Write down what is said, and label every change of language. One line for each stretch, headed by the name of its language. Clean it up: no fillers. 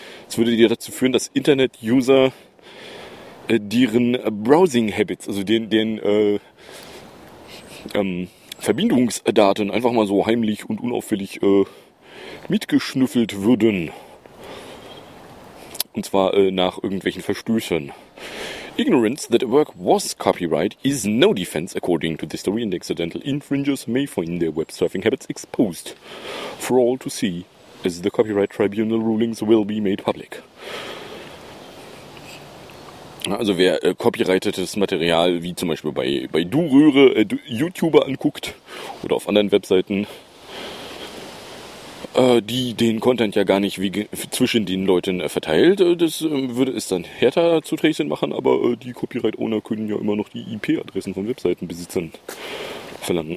German: Es würde dir dazu führen, dass Internet-User deren Browsing-Habits, also deren Verbindungsdaten einfach mal so heimlich und unauffällig mitgeschnüffelt würden. Und zwar nach irgendwelchen Verstößen.
English: Ignorance that a work was copyright is no defense, according to the story, and accidental infringers may find their web surfing habits exposed for all to see, as the copyright tribunal rulings will be made public.
German: Also wer copyrightetes Material, wie zum Beispiel bei Du Röhre, YouTuber anguckt oder auf anderen Webseiten, die den Content ja gar nicht zwischen den Leuten verteilt, das würde es dann härter zu tracen machen, aber die Copyright-Owner können ja immer noch die IP-Adressen von Webseitenbesitzern verlangen.